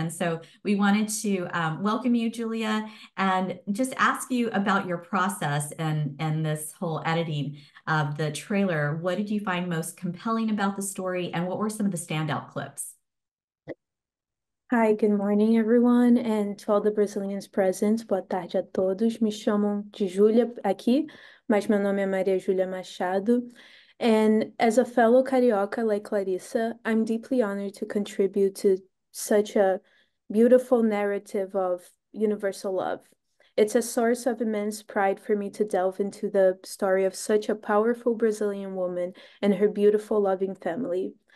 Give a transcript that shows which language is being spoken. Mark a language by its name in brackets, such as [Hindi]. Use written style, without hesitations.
[English] And so we wanted to welcome you, Julia, and just ask you about your process and this whole editing of the trailer. What did you find most compelling about the story, and what were some of the standout clips? Hi, good morning, everyone, and to all the Brazilians present, [Portuguese] boa tarde a todos. Me chamam de Júlia aqui, mas meu nome é Maria Júlia Machado. [English] And as a fellow Carioca like Clarissa, I'm deeply honored to contribute to such a beautiful narrative of universal love. It's a source of immense pride for me to delve into the story of such a powerful Brazilian woman and her beautiful, loving family.